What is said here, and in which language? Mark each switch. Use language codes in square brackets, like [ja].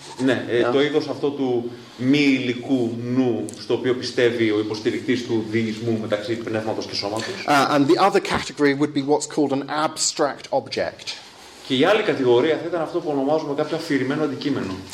[el] Ναι, το είδος αυτό του μη υλικού νου, στο οποίο πιστεύει ο υποστηρικτής του διησμού μεταξύ πνεύματος και σώματος. [en] And the other category would be what's called an abstract object. [el] Και η άλλη κατηγορία θα ήταν αυτό που ονομάζουμε κάποιο αφηρημένο αντικείμενο.